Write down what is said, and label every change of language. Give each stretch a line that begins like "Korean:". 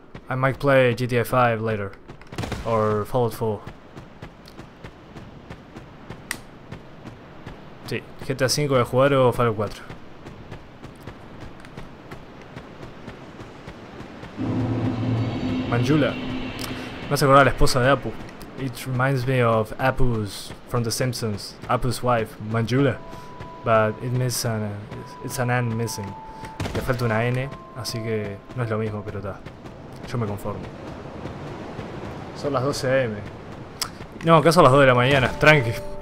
English: I might play GTA 5 later or Fallout 4.
Spanish: Sí, GTA 5 voy a jugar o Fallout 4. Manjula. Me hace acordar a la esposa de Apu.
English: It reminds me of Apu's from The Simpsons. Apu's wife, Manjula. But it misses an it's an N missing.
Spanish: Le falta una N, así que no es lo mismo, pero está. Yo me conformo. Son las 12 a.m. No, acá son las 2 de la mañana, tranqui.